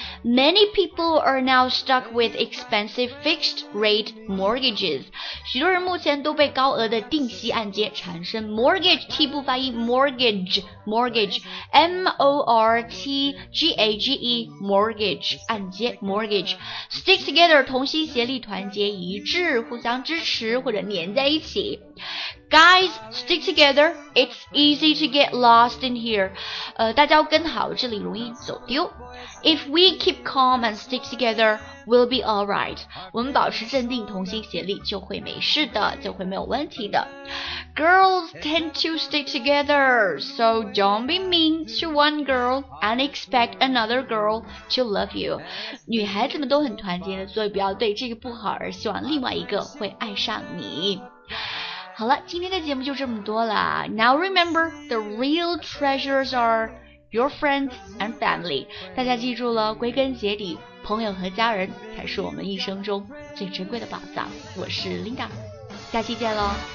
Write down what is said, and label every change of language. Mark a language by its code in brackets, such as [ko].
[en] Many people are now stuck with expensive fixed rate mortgages. [zh] 许多人目前都被高额的定息按揭缠身。 [en] Mortgage, T [zh] 不发音 [en] ,mortgage, mortgage, M-O-R-T-G-A-G-E, mortgage, [zh] 按揭 [en] mortgage. Stick together, [zh] 同心协力，团结一致，互相支持。支持或者黏在一起。 [en] Guys, stick together. It's easy to get lost in here. [zh] 大家要跟好，这里容易走丢。 [en] If we keep calm and stick together, we'll be all right. [zh] 我们保持镇定，同心协力，就会没事的，就会没有问题的。 [en] Girls tend to stick together, so don't be mean to one girl and expect another girl to love you. [zh] 女孩子们都很团结的，所以不要对这个不好而希望另外一个会爱上你。好了，今天的节目就这么多了。 [en] Now remember, the real treasures are your friends and family. [zh] 大家记住了，归根结底，朋友和家人才是我们一生中最珍贵的宝藏。我是 Linda, 下期见喽。